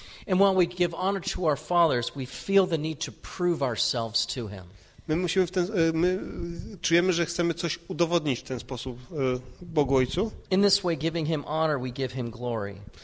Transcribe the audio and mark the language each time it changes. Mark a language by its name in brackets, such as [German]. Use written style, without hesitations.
[English] And while we give honor to our fathers, we feel the need to prove ourselves to him. [Polish] My czujemy, że chcemy coś udowodnić w ten sposób Bogu Ojcu. [English] In this way, giving him honor, we give him glory.